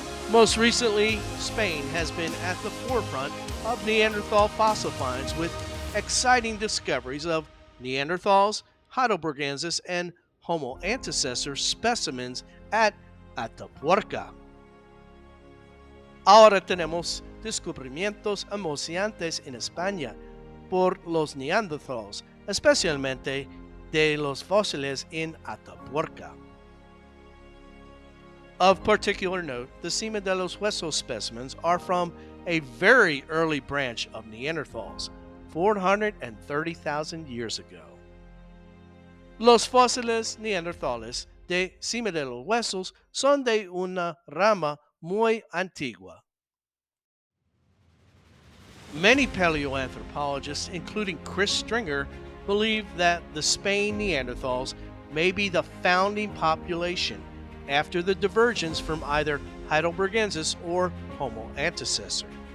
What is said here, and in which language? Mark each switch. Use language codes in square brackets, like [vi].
[en] Most recently, Spain has been at the forefront of Neanderthal fossil finds with exciting discoveries of Neanderthals, Heidelbergensis, and Homo antecessor specimens at Atapuerca. [es] Ahora tenemos descubrimientos emocionantes en España por los Neanderthals, especialmente de los Fósiles en Atapuerca. [en] Of particular note, the Cima de los Huesos specimens are from a very early branch of Neanderthals, 430,000 years ago. [es] Los Fósiles Neanderthales de Cima de los Huesos son de una rama muy antigua. [en] Many paleoanthropologists, including Chris Stringer, believe that the Spain Neanderthals may be the founding population after the divergence from either Heidelbergensis or Homo antecessor.